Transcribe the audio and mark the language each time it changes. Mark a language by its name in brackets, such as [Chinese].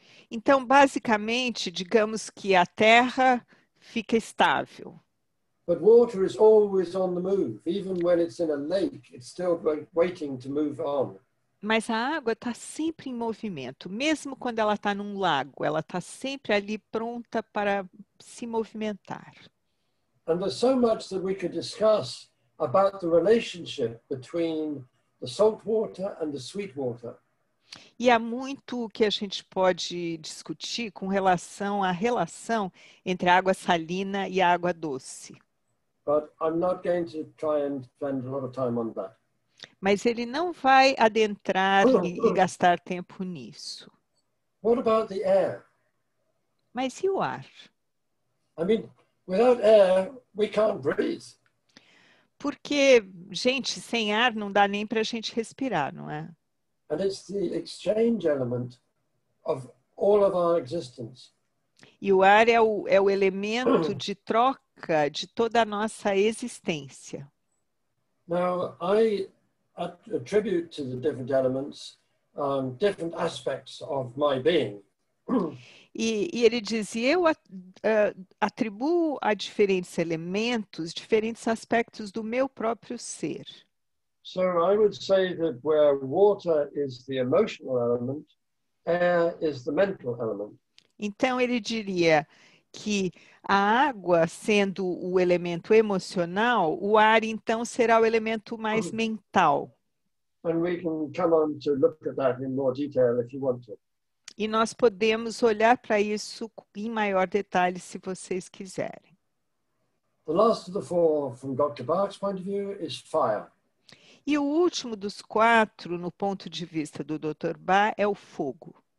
[Portuguese] Então, basicamente, digamos que a Terra fica estável. [English] But water is always on the move. Even when it's in a lake, it's still waiting to move on. [Portuguese] Mas a água está sempre em movimento. Mesmo quando ela está num lago, ela está sempre ali pronta para se movimentar. [English] And there's so much that we could discuss about the relationship between the salt water and the sweet water. [Portuguese] E há muito que a gente pode discutir com relação à relação entre a água salina e a água doce. [English] But I'm not going to try and spend a lot of time on that. [Portuguese] Mas ele não vai adentrar e gastar tempo nisso. [English] What about the air? [Portuguese] Mas e o ar? [English] I mean, without air, we can't breathe. [Portuguese] Porque, gente, sem ar não dá nem para a gente respirar, não é? [English] And it's the exchange element of all of our existence. [Portuguese] E o ar é o elemento de troca de toda a nossa existência. [English] Now, I attribute to the different elements different aspects of my being. [Portuguese] E ele dizia, eu atribuo a diferentes elementos, diferentes aspectos do meu próprio ser. [English] So I would say that where water is the emotional element, air is the mental element. [Portuguese] Então ele diria que a água sendo o elemento emocional, o ar então será o elemento mais mental. [English] And we can come on to look at that in more detail if you want to. [Portuguese] E nós podemos olhar para isso em maior detalhe, se vocês quiserem. [English] The last of the four, from Dr. Bach's point of view, is fire. [Portuguese] E o último dos quatro, no ponto de vista do Dr. Bach, é o fogo.